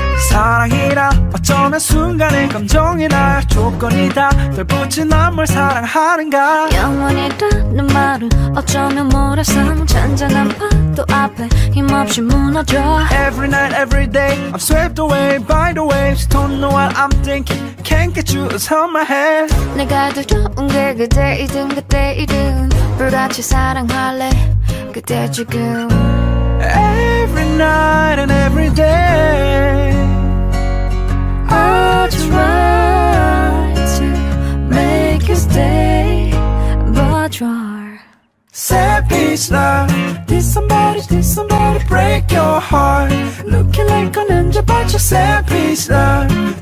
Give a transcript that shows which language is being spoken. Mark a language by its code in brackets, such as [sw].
[ko] 사랑이라 어쩌면 순간의 감정이라 조건이 다 덜 붙지 난 뭘 사랑하는가. 영원히 되는 말은 어쩌면 모래성 잔잔한 파도 앞에 힘없이 무너져. [en] Every night every day I'm swept away by the waves. Don't know what I'm thinking. Can't get you out of my head. [ko] 내가 두려운 게 그대이든 그때이든 불같이 사랑할래 그대 지금. [en] Every night and every day I try to make you stay. But you're savage love. Did somebody break your heart? Looking like an angel but you're savage love.